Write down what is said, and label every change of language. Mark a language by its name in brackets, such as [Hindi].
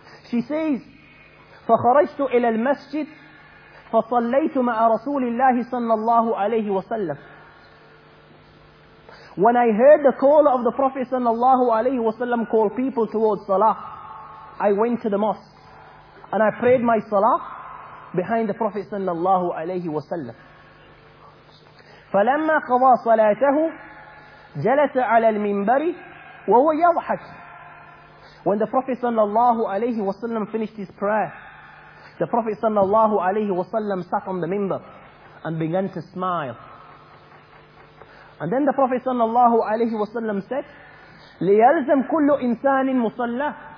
[English] She says, [Arabic] فَخَرَجْتُ إِلَى الْمَسْجِدِ فَصَلَّيْتُ مَعَ رَسُولِ اللَّهِ صَلَّى اللَّهُ عَلَيْهِ وَسَلَّمُ. [English] When I heard the call of the Prophet sallallahu alayhi wa sallam call people towards salah, I went to the mosque and I prayed my salah behind the Prophet sallallahu alayhi wa sallam. [Arabic] فلما قضى صلاته جلس على المنبر وهو يضحك. [English] When the Prophet sallallahu alayhi wa sallam finished his prayer, the Prophet sallallahu alayhi wa sallam sat on the minbar and began to smile. And then the Prophet sallallahu alayhi wa sallam said, [Arabic] لِيَلْزَمْ كُلُّ إِنسَانٍ مُصَلَّى.